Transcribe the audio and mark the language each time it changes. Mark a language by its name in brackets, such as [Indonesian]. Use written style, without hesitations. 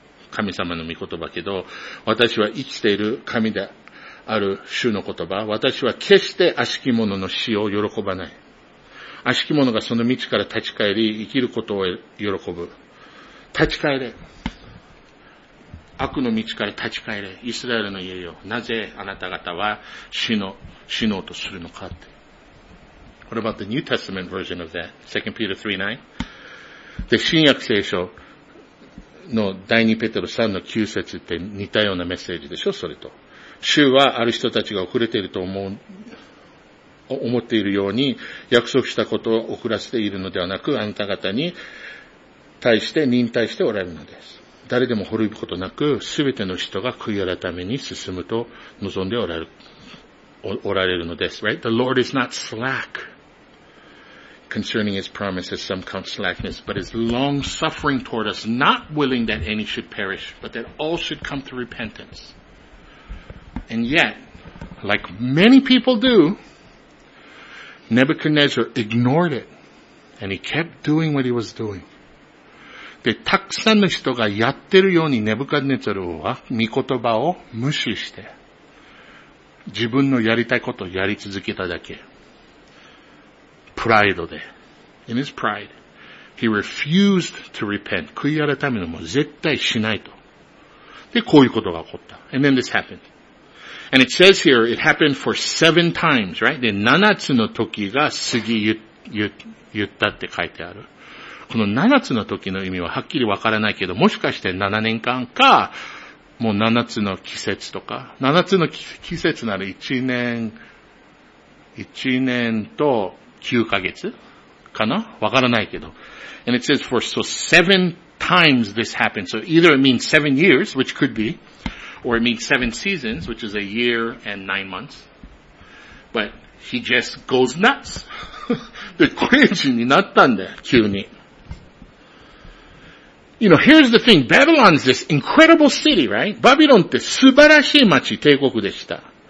[Japanese] 神様の御言葉けど、私は生きている神である主の言葉、私は決して悪しき者の死を喜ばない。悪しき者がその道から立ち返り、生きることを喜ぶ。立ち返れ。悪の道から立ち返れ、イスラエルの家よ。なぜあなた方は死のうとするのかって。 [English] What about the New Testament version of that? 2 Peter 3:9? [Japanese] で、新約聖書の第2ペテロ3の9節って似たようなメッセージでしょ、それと。主はある人たちが遅れていると思っているように、約束したことを遅らせているのではなく、あなた方に対して忍耐しておられるのです。誰でも滅ぶことなく、すべての人が悔い改めに進むと望んでおられるのです。 [English] Right? The Lord is not slack concerning His promises, some count slackness, but is long-suffering toward us, not willing that any should perish, but that all should come to repentance. And yet, like many people do, Nebuchadnezzar ignored it, and he kept doing what he was doing. [Japanese] で、たくさんの人がやってるようにネブカデネツァルは御言葉を無視して自分のやりたいことをやり続けただけ。プライドで。 [English] In his pride. He refused to repent. [Japanese] 悔い改めのも絶対しないと。で、こういうことが起こった。 [English] And then this happened. And it says here, it happened for 7 times, right? [Japanese] で、7つの時が過ぎ言ったって書いてある。この7つの時の意味ははっきりわからないけど、もしかして7年間か、もう7つの季節とか、7つの季節なら1年と9ヶ月かな？わからないけど。 [English] And it says for, so 7 times this happened. So either it means 7 years, which could be, or it means 7 seasons, which is 1 year and 9 months. But he just goes nuts. [Japanese] で、クレイジーになったんだよ、急に。 [English] You know, here's the thing. Babylon is this incredible city, right? [Japanese] バビロンって素晴らしい街、帝国でした。